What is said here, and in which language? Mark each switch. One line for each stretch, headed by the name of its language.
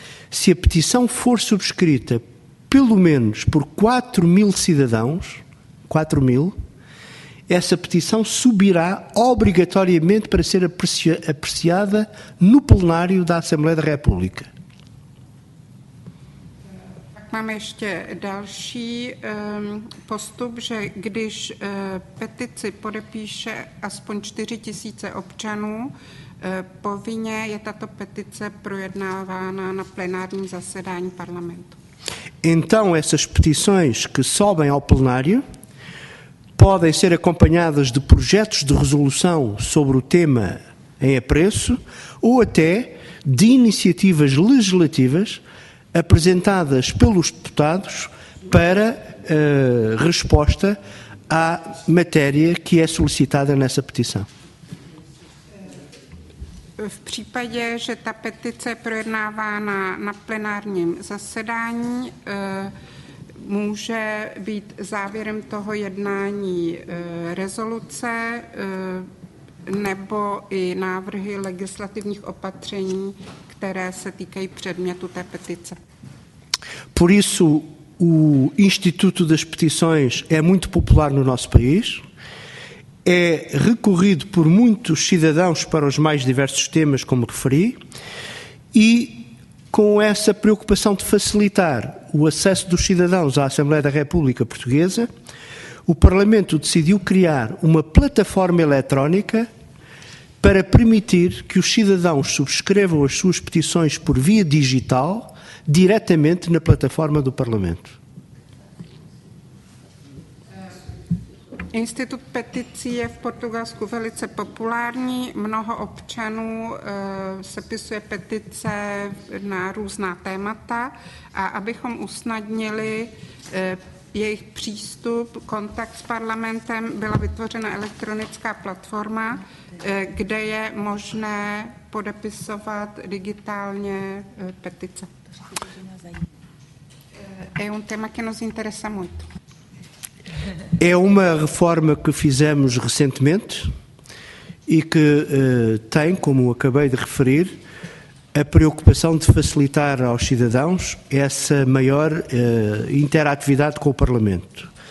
Portuguese: Se a petição for subscrita pelo menos por 4 mil cidadãos, 4 mil, essa petição subirá obrigatoriamente para ser apreciada no plenário da Assembleia da República.
Czech: Máme ještě další postup, že když petici podepíše aspoň 4 tisíce občanů, povinně je tato petice projednávána na plenárním zasedání parlamentu.
Portuguese: Então, essas petições que sobem ao plenário podem ser acompanhadas de projetos de resolução sobre o tema em apreço ou até de iniciativas legislativas apresentadas pelos deputados para resposta à matéria que é solicitada nessa petição.
Czech: V případě, že ta petice je projednávána na plenárním zasedání, může být závěrem toho jednání rezoluce nebo i návrhy legislativních opatření, které se týkají předmětu té petice.
Portuguese: Por isso, o Instituto das Petições é muito popular no nosso país, é recorrido por muitos cidadãos para os mais diversos temas, como referi, e com essa preocupação de facilitar o acesso dos cidadãos à Assembleia da República Portuguesa, o Parlamento decidiu criar uma plataforma eletrónica para permitir que os cidadãos subscrevam as suas petições por via digital, diretamente na plataforma do Parlamento.
Czech: Institut peticí je v Portugalsku velice populární. Mnoho občanů sepisuje petice na různá témata a abychom usnadnili jejich přístup, kontakt s parlamentem, byla vytvořena elektronická platforma, kde je možné podepisovat digitálně petice.
Portuguese: É um tema que nos interessa muito. É uma reforma que fizemos recentemente e que tem, como acabei de referir, a preocupação de facilitar aos cidadãos essa maior interatividade com o Parlamento.